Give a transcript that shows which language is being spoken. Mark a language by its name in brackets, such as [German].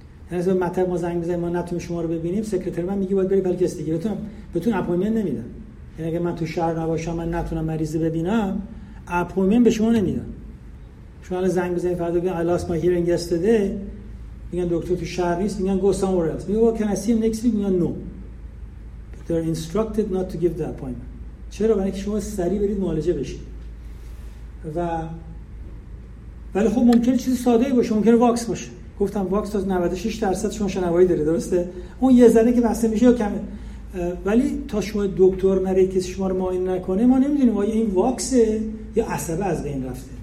[Persian] هنوز مطب ما زنگ بزنیم ما نتونیم شما رو ببینیم، سکرتر من میگه باید بری بلکه کسی دیگه، بهتون اپوینتمنت نمیدن. یعنی اگه من تو شهر نباشم، من نتونم مریض ببینم، اپوینتمنت به شما نمیدن. شما الان زنگ بزنید فردا بگید [English] I lost my hearing yesterday، [Persian] میگن دکتر تو شهر نیست، میگن [English] go somewhere else. [Persian] میگن [English] can I see him next week؟ [Persian] میگن no. [English] But they're instructed not to give the appointment. [Persian] چرا؟ برای اینکه شما سریع برید معالجه بشید. و ولی خب ممکنه چیز ساده‌ای باشه، ممکنه واکس باشه. گفتم واکس از 96% شما شنوایی داره، درسته؟ اون یه ذره که بسته میشه یا کمه. ولی تا شما دکتر نره کسی شما رو معاینه نکنه، ما نمیدونیم آیا این واکسه یا عصبه از بین رفته.